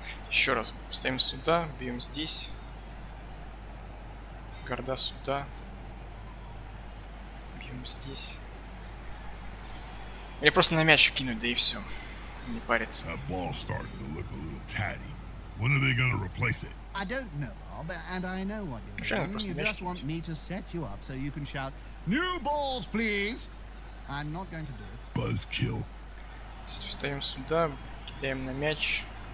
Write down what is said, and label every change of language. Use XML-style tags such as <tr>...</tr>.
<ru>Еще раз. Встаем сюда, бьем здесь. Горда сюда. Бьем здесь. Или просто на мяч кинуть, да и все. Не париться.</ru> <en>That ball's starting to look a little tatty. When are they gonna replace it? I don't know, Bob, and I know what you're doing. You just want me to set you up so you can shout, "New balls, please!" I'm not going to do it. Buzzkill.</en> <ru>Встаем сюда, кидаем на мяч.</ru>